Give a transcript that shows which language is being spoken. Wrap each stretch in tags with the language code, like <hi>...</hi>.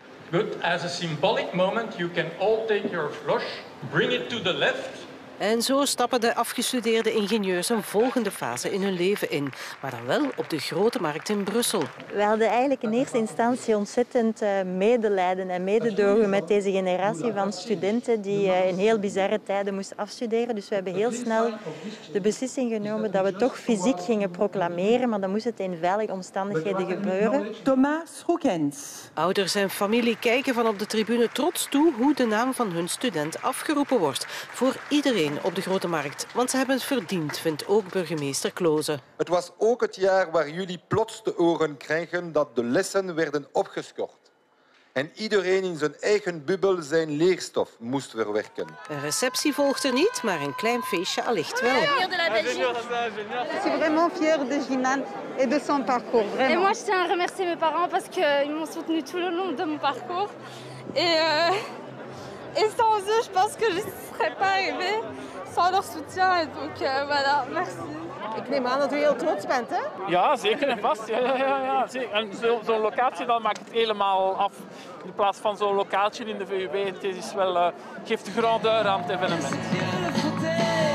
<en>Good, as a symbolic moment, you can all take your flush, bring it to the left.</en> <nl>En zo stappen de afgestudeerde ingenieurs een volgende fase in hun leven in. Maar dan wel op de grote markt in Brussel. We hadden eigenlijk in eerste instantie ontzettend medelijden en mededogen met deze generatie van studenten die in heel bizarre tijden moesten afstuderen. Dus we hebben heel snel de beslissing genomen dat we toch fysiek gingen proclameren. Maar dan moest het in veilige omstandigheden gebeuren. Thomas Hoekens. Ouders en familie kijken van op de tribune trots toe hoe de naam van hun student afgeroepen wordt. Voor iedereen. meteen op de Grote Markt. Want ze hebben het verdiend, vindt ook burgemeester Klose. Het was ook het jaar waar jullie plots de oren kregen dat de lessen werden opgeschort. En iedereen in zijn eigen bubbel zijn leerstof moest verwerken. Een receptie volgt er niet, maar een klein feestje allicht wel. Ik ben echt fier van Jinan en van zijn parcours. En ik wil mijn ouders bedanken, want ze hebben me steunen</nl> <fr>tout le long de mon parcours. Et sans eux, je pense que je ne serais pas arrivée sans leur soutien. Et donc voilà, merci.</fr> <nl>Ik neem aan dat u heel trots bent, hè? Ja, zeker en vast. Ja. Zo'n locatie dat maakt het helemaal af. In plaats van zo'n locatie in de VUB, het is wel, geeft de grandeur aan het evenement.</nl>